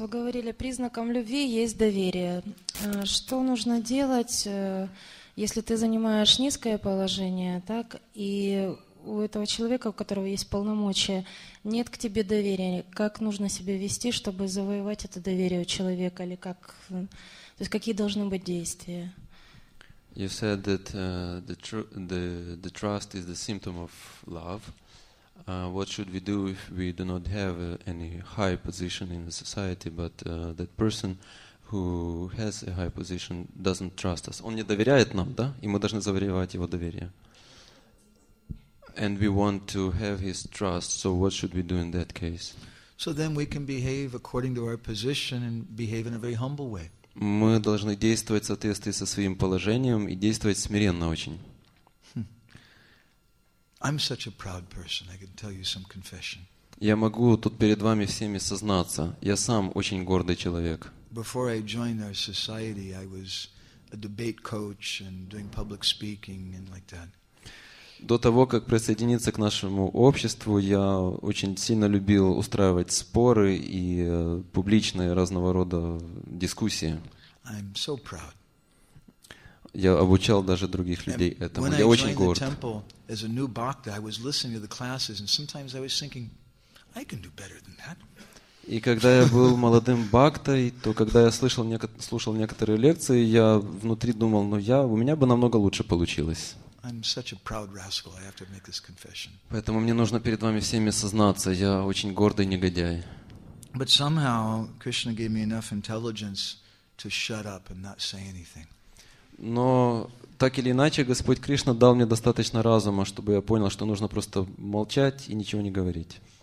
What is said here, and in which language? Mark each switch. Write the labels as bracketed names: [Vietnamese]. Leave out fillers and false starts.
[Russian] Вы говорили, признаком любви есть доверие. Что нужно делать, если ты занимаешь низкое положение, так, и у этого человека, у которого есть полномочия, нет к тебе доверия? Как нужно себя вести, чтобы завоевать это доверие у человека? Или как, то есть какие должны быть действия? [English] You said that the trust is the symptom of love. What should we do if we do not have any high position in the society, but that person who has a high position doesn't trust us? [Russian] Он не доверяет нам, да? И мы должны завоевать его доверие. [English] And we want to have his trust, so what should we do in that case? So then we can behave according to our position and behave in a very humble way. [Russian] Мы должны действовать в соответствии со своим положением и действовать смиренно очень. [English] I'm such a proud person. I can tell you some confession. [Russian] Я могу тут перед вами всеми сознаться. Я сам очень гордый человек. [English] Before I joined our society, I was a debate coach and doing public speaking and like that. [Russian] До того, как присоединиться к нашему обществу, я очень сильно любил устраивать споры и публичные разного рода дискуссии. [English] I'm so proud. [Russian] Я обучал даже других людей этому. [English] When [Russian] я очень горд. [English] Temple, as a new bhakta, I was listening to the classes, and sometimes I was thinking, I can do better than that. [Russian] И когда я был молодым бхактой, то когда я слушал некоторые лекции, я внутри думал, ну я, у меня бы намного лучше получилось. [English] I'm such a proud rascal. I have to make this confession. [Russian] Поэтому мне нужно перед вами всеми сознаться. Я очень гордый негодяй. [English] But somehow Krishna gave me enough intelligence to shut up and not say anything. [Russian] Но так или иначе, Господь Кришна дал мне достаточно разума, чтобы я понял, что нужно просто молчать и ничего не говорить.